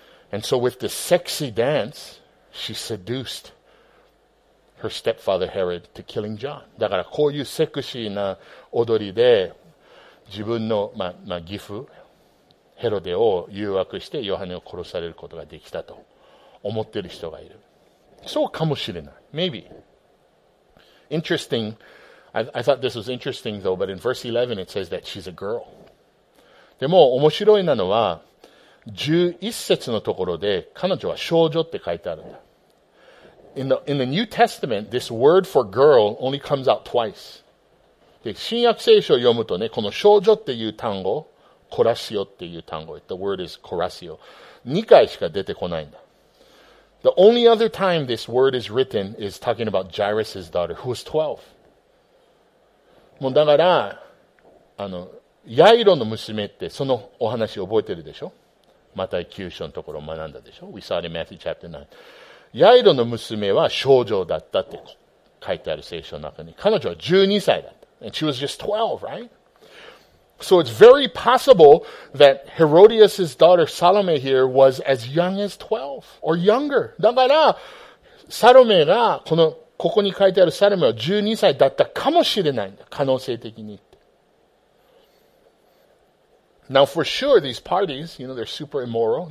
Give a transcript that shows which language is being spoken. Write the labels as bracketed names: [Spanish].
[English] And so with this sexy dance, she seduced her stepfather Herod to killing John. [Japanese] だからこういうセクシーな踊りで、自分の、義父、ヘロデを誘惑してヨハネを殺されることができたと思っている人がいる。そうかもしれない。 [English] Maybe. Interesting. I thought this was interesting though, but in verse 11 it says that she's a girl. [Japanese] でも面白いなのは11節のところで彼女は少女って書いてあるんだ。 [English] In the New Testament, this word for girl only comes out twice. [Japanese] で、新約聖書を読むとね、この少女っていう単語、コラシオっていう単語。 [English] The word is コラシオ。 [Japanese] 2回しか出てこないんだ。 [English] The only other time this word is written is talking about Jairus' daughter, who was 12. [Japanese] もうだから、ヤイロの娘ってそのお話覚えてるでしょ？マタイ9章のところを学んだでしょ？ [English] We saw it in Matthew chapter 9. [Japanese] ヤイロの娘は少女だったって書いてある聖書の中に。彼女は12歳だった。 [English] And she was just 12, right? So it's very possible that Herodias' daughter Salome here was as young as 12 or younger. [Japanese] だから、サロメが、ここに書いてあるサロメは12歳だったかもしれないんだ。可能性的に。 [English] Now for sure, these parties, you know, they're super immoral.